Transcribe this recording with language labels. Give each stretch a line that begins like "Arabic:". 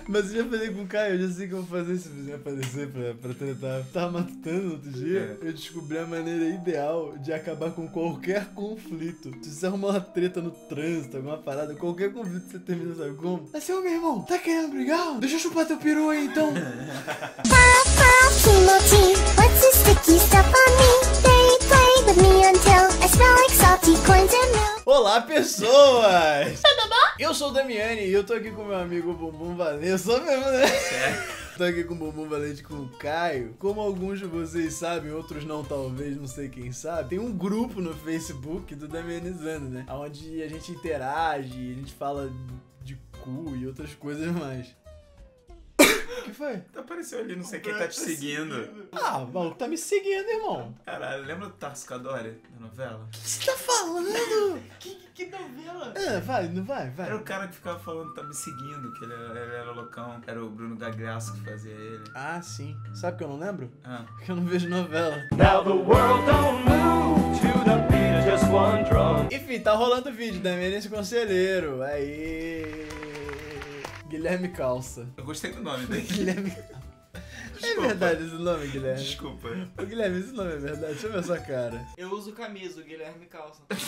Portuguese: Mas eu já falei com o Caio, eu já sei como fazer esse vizinho aparecer pra tentar. Tava matutando outro dia. É. Eu descobri a maneira ideal de acabar com qualquer conflito. Se você arrumar uma treta no trânsito, alguma parada, qualquer conflito você termina, sabe como? Assim, ô meu irmão, tá querendo brigar? Deixa eu chupar teu peru aí então.
English: Timothy, what's this sticky stuff on me? They play with me until I smell like salty coins and milk.
Portuguese: Olá, pessoas! Eu sou o Damiani e eu tô aqui com meu amigo Bumbum Valente. Eu sou mesmo, né? Certo. Tô aqui com o Bumbum Valente com o Caio. Como alguns de vocês sabem, outros não, talvez, não sei quem sabe, tem um grupo no Facebook do Damianizando, né? Onde a gente interage, a gente fala de cu e outras coisas mais. O que foi? Apareceu ali, não sei quem tá te seguindo. Ah, o maluco tá me seguindo, irmão. Caralho, lembra do Tarso Cadore, da novela? O que você tá falando? que novela? Ah, vai, não vai, vai. Era o cara que ficava falando, tá me seguindo, que ele era loucão. Era o Bruno Gagliasso que fazia ele. Ah, sim. Sabe o que eu não lembro? Ah. Porque eu não vejo novela.
English: Now the world don't move to the beat of just one drum.
Portuguese: Enfim, tá rolando o vídeo da Emerência Conselheiro. Aí. Guilherme Calça. Eu gostei do nome dele. Guilherme Calça. É verdade esse nome, Guilherme. Desculpa. Ô, Guilherme, esse nome é verdade. Deixa eu ver a sua cara. Eu uso camisa, Guilherme Calça.